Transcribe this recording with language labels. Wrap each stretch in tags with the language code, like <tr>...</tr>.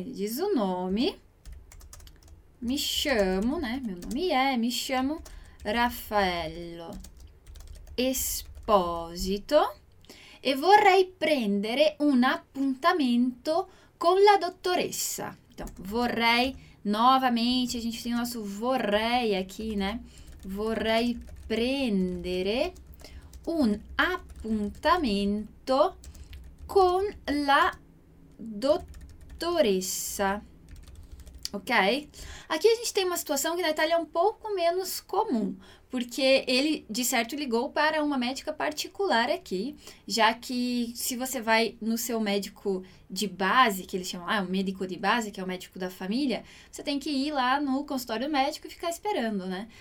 <pt>Ele diz o nome.</pt> <it>Mi chamo,</it> <pt>né? Meu nome é.</pt> <it>Mi chiamo Raffaello Esposito. E vorrei prendere un appuntamento con la dottoressa.</it> <pt>Então, vorrei. Novamente, a gente tem o nosso vorrei aqui, né?</pt> <it>Vorrei prendere un appuntamento con la dottoressa, ok?</it> <pt>Aqui a gente tem uma situação que na Itália é um pouco menos comum, porque ele, de certo, ligou para uma médica particular aqui, já que se você vai no seu médico de base, que eles chamam, o médico de base, que é o médico da família, você tem que ir lá no consultório médico e ficar esperando, né?</pt>